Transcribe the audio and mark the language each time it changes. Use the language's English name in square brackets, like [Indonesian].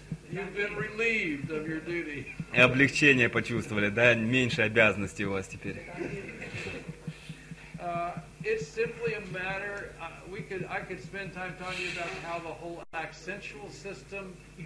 [English] You've been relieved of your duty. [Russian] Облегчение почувствовали, да? Меньше обязанностей у вас теперь. [English] It's simply a matter. I could spend time talking about how the whole accentual system.